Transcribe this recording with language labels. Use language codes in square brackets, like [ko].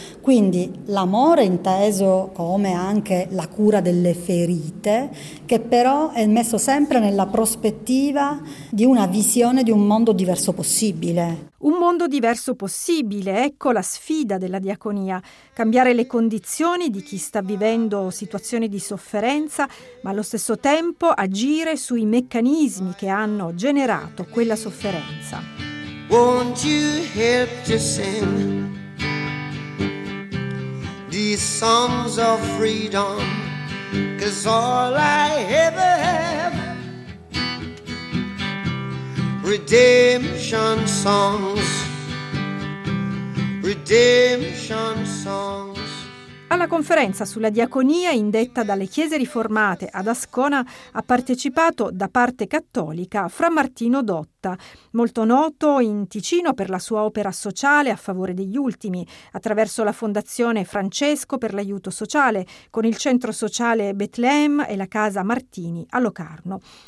[it] Quindi l'amore inteso come anche la cura delle ferite, che però è messo sempre nella prospettiva di una visione di un mondo diverso possibile. Un mondo diverso possibile, ecco la sfida della diaconia, cambiare le condizioni di chi sta vivendo situazioni di sofferenza, ma allo stesso tempo agire sui meccanismi che hanno generato quella sofferenza. [en] Won't you help to sing these songs of freedom, 'cause all I ever have, redemption songs, redemption songs. [it] Alla conferenza sulla diaconia indetta dalle chiese riformate ad Ascona ha partecipato da parte cattolica Fra Martino Dotto, molto noto in Ticino per la sua opera sociale a favore degli ultimi, attraverso la Fondazione Francesco per l'aiuto sociale, con il Centro Sociale Betlehem e la Casa Martini a Locarno.